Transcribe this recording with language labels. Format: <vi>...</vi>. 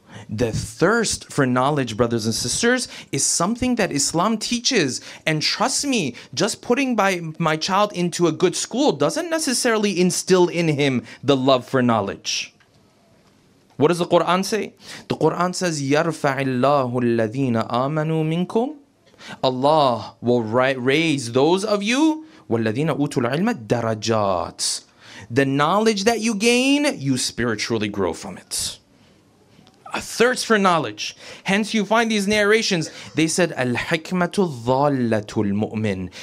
<en>The thirst for knowledge, brothers and sisters, is something that Islam teaches. And trust me, just putting my child into a good school doesn't necessarily instill in him the love for knowledge. What does the Quran say? The Quran says,</en> <ar>يَرْفَعِ اللَّهُ الَّذِينَ آمَنُوا مِنْكُمْ.</ar> <en>Allah will raise those of you,</en> <ar>وَالَّذِينَ أُوتُوا الْعِلْمَ دَرَجَاتٍ.</ar> <en>The knowledge that you gain, you spiritually grow from it. A thirst for knowledge. Hence you find these narrations. They said, Al-hikmatu dhallatu al-mu'min.</en>